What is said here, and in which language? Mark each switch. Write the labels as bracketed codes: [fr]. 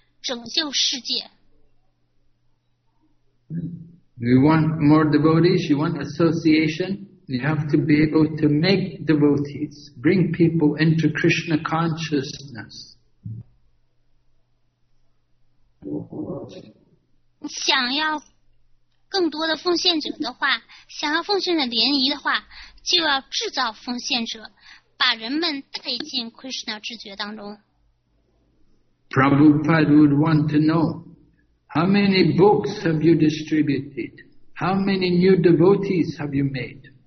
[zh] 拯救世界。 [en] You want more devotees, you want association, you have to be able to make devotees, bring people into Krishna consciousness. [zh] 想要更多的奉献者的话，想要奉献者联谊的话，就要制造奉献者，把人们带进 Krishna 知觉当中。 [en] Prabhupada would want to know, how many books have you distributed? How many new devotees have you made?